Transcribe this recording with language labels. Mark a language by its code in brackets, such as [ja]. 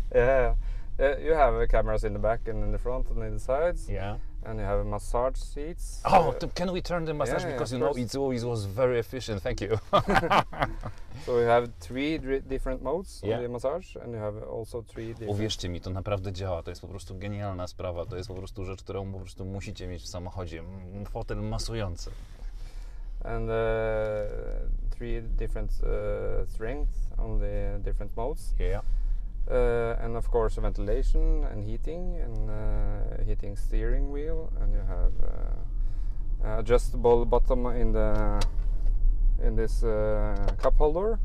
[en] Yeah, you have cameras in the back and in the front and in the sides. Yeah. And you have massage seats. Oh, can we turn the massage? Yeah, because, yeah, you know, it was very efficient. Thank you. So we have three different modes of, yeah, the massage, and you have also three different... [pl] Uwierzcie mi, to naprawdę działa. To jest po prostu genialna sprawa. To jest po prostu rzecz, którą po prostu musicie mieć w samochodzie. Fotel masujący. [en] And three different strengths on the different modes. Yeah. And of course ventilation and heating and heating steering wheel, and you have adjustable bottom in this cup holder.